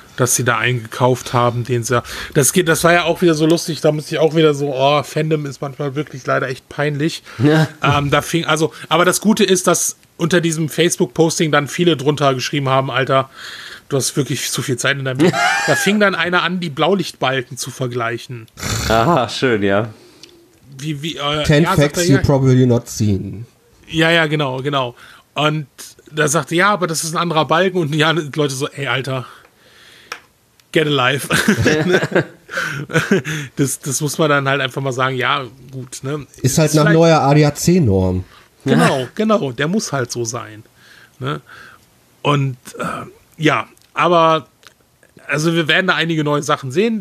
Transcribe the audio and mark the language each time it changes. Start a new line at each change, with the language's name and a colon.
German: das sie da eingekauft haben, den sie, das geht, das war ja auch wieder so lustig, da muss ich auch wieder so, oh, Fandom ist manchmal wirklich leider echt peinlich. Ja. Da fing, also, aber das Gute ist, dass unter diesem Facebook-Posting dann viele drunter geschrieben haben, Alter, du hast wirklich zu viel Zeit in deinem Leben. Da fing dann einer an, die Blaulichtbalken zu vergleichen. Aha, schön, ja.
English: Ten facts you probably not seen.
German: Ja, ja, genau, genau. Und da sagte, ja, aber das ist ein anderer Balken. Und ja, die Leute so, ey, Alter,
English: get alive.
German: das muss man dann halt einfach mal sagen, ja, gut. Ne? Ist halt nach neuer ADAC-Norm. Genau, genau, der muss halt so sein. Ne? Und ja, aber also wir werden da einige neue Sachen sehen.